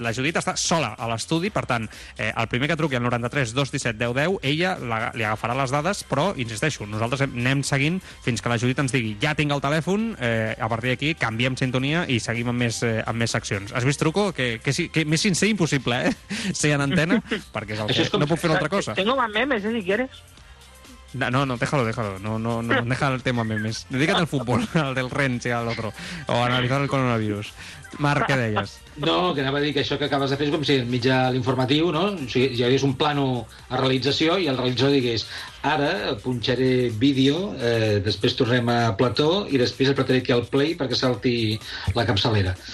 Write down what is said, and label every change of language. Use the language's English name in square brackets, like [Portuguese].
[Catalan] La Judit està sola a l'estudi, per tant, el primer que truqui, el 93-217-1010, ella li agafarà les dades, però, insisteixo, nosaltres anem seguint fins que la Judit ens digui, ja tinc el telèfon, a partir d'aquí canviem sintonia i seguim amb més seccions. Has vist, truco? Que més sincer impossible, ser en antena, perquè és el que... No puc fer altra cosa. [Spanish] Tengo más memes, si quieres. No, déjalo. No, deja el tema memes. Dedícate al fútbol, al del Rennes y al otro. O analizar el coronavirus. Marc, [Catalan] què deies? No, que anava a dir que això que acabes de fer és com si el mitjà l'informatiu, no? O sigui, hi hagués un plano a realització i el realitzador digués ara punxaré vídeo, després tornem a plató i després apretaré aquí el play perquè salti la capçalera.